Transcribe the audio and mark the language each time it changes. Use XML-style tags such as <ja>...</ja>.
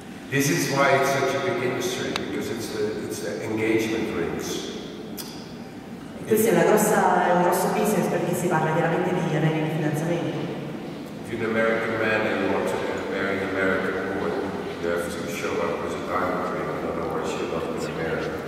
<en>This is why it's such a big industry, because it's the engagement rings.</en> <it>Questa è una grossa, è un grosso business perché si parla chiaramente di anelli di fidanzamento.</it> <en>If you're an American man and you want to marry an American woman, you have to show up as a diamond ring, otherwise you're not an American.</en>